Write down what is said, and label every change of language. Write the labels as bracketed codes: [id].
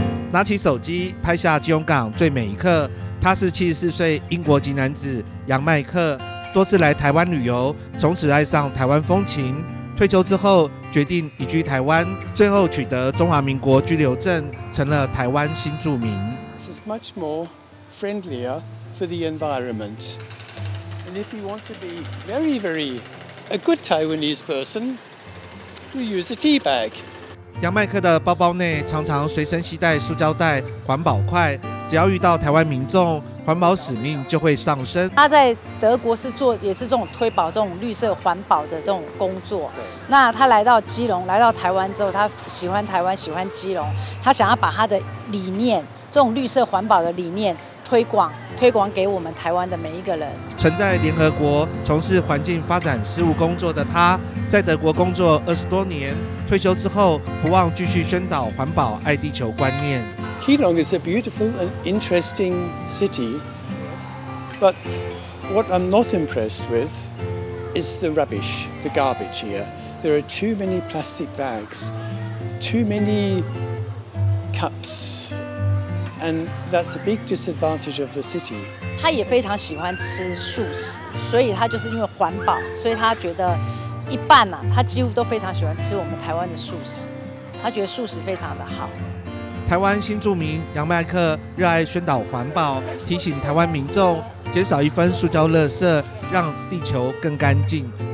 [zh] 拿起手机拍下基隆港最美一刻，他是74岁英国籍男子杨麦克。多次来台湾旅游，从此爱上台湾风情。退休之后决定移居台湾，最后取得中华民国居留证，成了台湾新住民。 [en] This is much more friendlier for the environment. And if you want to be very, very a good Taiwanese person, you use a tea bag. [zh] 杨麦克的包包内常常随身携带塑胶袋、环保筷，只要遇到台湾民众，环保使命就会上升。他在德国是做也是这种推保、这种绿色环保的这种工作。那他来到基隆，来到台湾之后，他喜欢台湾，喜欢基隆，他想要把他的理念，这种绿色环保的理念推广给我们台湾的每一个人。曾在联合国从事环境发展事务工作的他，在德国工作20多年，退休之后不忘继续宣导环保、爱地球观念。 [en] 基隆 is a beautiful and interesting city, but what I'm not impressed with is the rubbish, the garbage here. There are too many plastic bags, too many cups, and that's a big disadvantage of the city. [zh] 他也非常喜欢吃素食，所以他就是因为环保，所以他觉得一半呢、啊，他几乎都非常喜欢吃我们台湾的素食，他觉得素食非常的好。台湾新住民杨麦克热爱宣导环保，提醒台湾民众减少一分塑胶垃圾，让地球更干净。